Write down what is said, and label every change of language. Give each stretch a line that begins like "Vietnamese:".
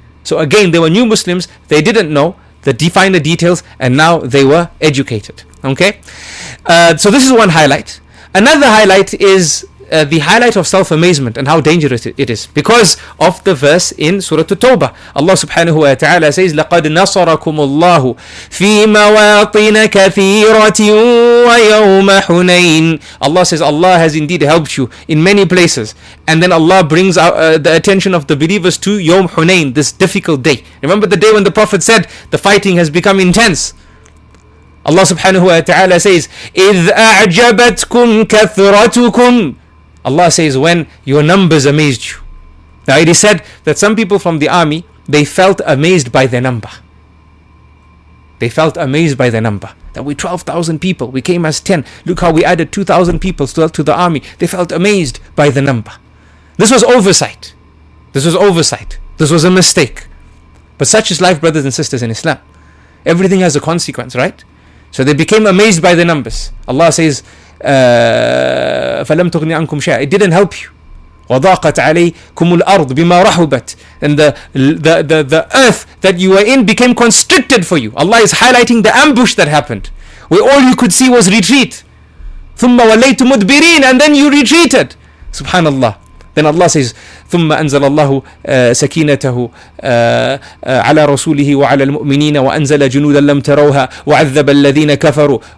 English: So again, they were new Muslims. They didn't know the finer details, and now they were educated. Okay? So this is one highlight. Another highlight is the highlight of self-amazement and how dangerous it is, because of the verse in Surah At-Tawbah.
Arabic: Allah subhanahu wa ta'ala
English: says,
Arabic: لَقَدْ نَصَرَكُمُ اللَّهُ فِي مَوَاطِنَ كَثِيرَةٍ وَيَوْمَ حُنَيْنٍ.
English: Allah says, Allah has indeed helped you in many places. And then Allah brings the attention of the believers to Yawm Hunayn, this difficult day. Remember the day when the Prophet said, the fighting has become intense. Allah subhanahu wa ta'ala says,
Arabic: إِذْ أَعْجَبَتْكُمْ كَثْرَتُكُمْ.
English: Allah says, when your numbers amazed you. Now it is said that some people from the army, they felt amazed by their number. They felt amazed by their number. That we're 12,000 people, we came as 10. Look how we added 2,000 people to the army. They felt amazed by the number. This was oversight. This was oversight. This was a mistake. But such is life, brothers and sisters in Islam. Everything has a consequence, right? So they became amazed by the numbers. Allah says,
Arabic: فَلَمْ تُغْنِ عَنْكُمْ شَيْءٍ.
English: It didn't help you.
Arabic: وَضَاقَتْ عَلَيْكُمُ الْأَرْضُ بِمَا رَحُبَتْ.
English: And the earth that you were in became constricted for you. Allah is highlighting the ambush that happened, where all you could see was retreat.
Arabic: ثُمَّ وَلَّيْتُ مُدْبِرِينَ.
English: And then you retreated. Subhanallah. Then Allah says,
Arabic: ثُمَّ أَنزَلَ اللَّهُ سَكِينَتَهُ عَلَى رَسُولِهِ وَعَلَى الْمُؤْمِنِينَ وَأَنزَلَ جُنُودًا لَمْ تَرَوْهَا وَعَذَّبَ الَّذِينَ كَفَرُوا.